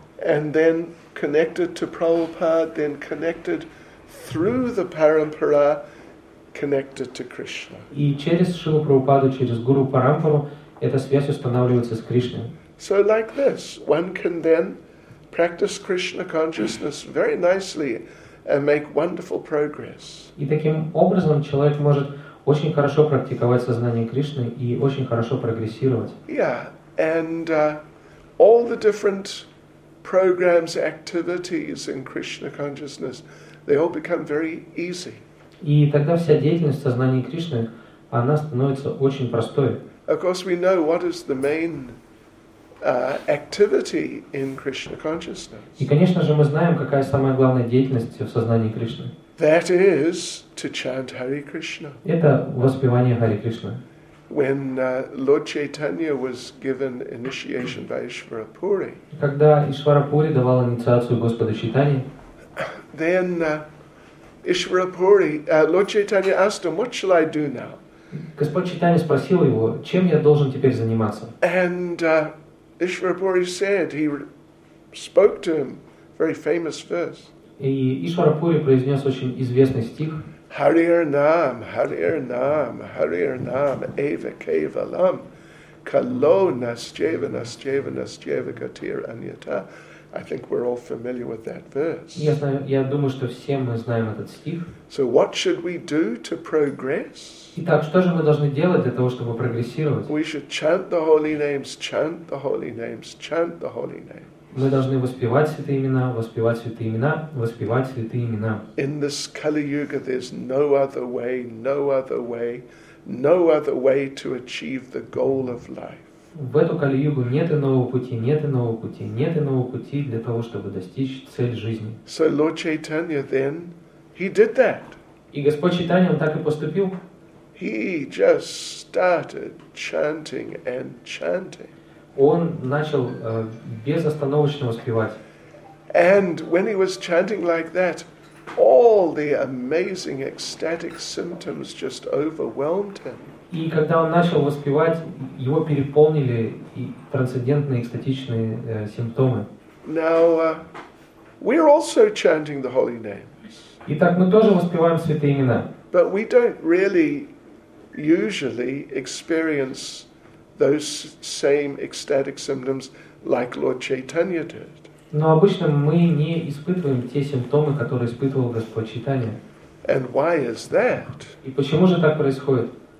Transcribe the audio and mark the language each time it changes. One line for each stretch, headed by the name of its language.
English: And then connected to Prabhupada, then connected through the Parampara, connected to Krishna.
Russian: И через Шрилу Прабхупаду, через Гуру Парампару, эта связь устанавливается с Кришной.
English: So like this, one can then practice Krishna consciousness very nicely and make wonderful progress.
Russian: И таким образом человек может очень хорошо практиковать сознание Кришны и очень хорошо прогрессировать.
English: Yeah, and all the different programs, activities in Krishna consciousness, they all become very easy.
Russian: И тогда вся деятельность в сознании Кришны, она становится очень простой.
English: Of course, we know what is the main activity in Krishna consciousness.
Russian: И конечно же мы знаем, какая самая главная деятельность в сознании Кришны.
English: That is to chant Hare Krishna.
Russian: Это воспевание Харе Кришны.
English: When Lord Chaitanya was given initiation by Ishvara Puri,
Russian: когда Ишвара Пури давал инициацию Господу Чайтанье,
English: then Ишвара Пури, Lord Chaitanya asked him, "What shall I do now?"
Russian: Господь Чайтанья спросил его, чем я должен теперь заниматься?
English: And Ишвара Пури said he spoke to him very famous verse.
Russian: И Ишвара Пури произнес очень известный стих.
Sanskrit: Hariyar Nam, Hariyar Nam, Hariyar Nam, Eva Kevalam, Kalo Nasjeva Nasjeva Nasjeva Gatir Anyata.
English: I think we're all familiar with that verse.
Russian: Я думаю, что все мы знаем этот стих.
English: So what should we do to progress?
Russian: Итак, что же мы должны делать для того, чтобы прогрессировать?
English: We should chant the holy names, chant the holy names, chant the holy names.
Russian: Мы должны воспевать святые имена, воспевать святые имена, воспевать святые имена.
English: In this Kali-Yuga there's no other way, no other way, no other way to achieve the goal of life.
Russian: В эту Кали-Югу нет иного пути, нет иного пути, нет иного пути для того, чтобы достичь цель жизни.
English: So Lord Chaitanya then, he did that.
Russian: И Господь Чайтанья, он так и поступил.
English: He just started chanting and chanting.
Russian: Он начал безостановочно воспевать.
English: And when he was chanting like that, all the amazing ecstatic symptoms just overwhelmed him.
Russian: И когда он начал воспевать, его переполнили трансцендентные экстатичные симптомы.
English: Now, we're also chanting the holy names.
Russian: Итак, мы тоже воспеваем святые имена.
English: But we don't really usually experience those same ecstatic symptoms like Lord Chaitanya did.
Russian: Но обычно мы не испытываем те симптомы, которые испытывал Господь Чайтанья.
English: And why is that?
Russian: И почему же так происходит?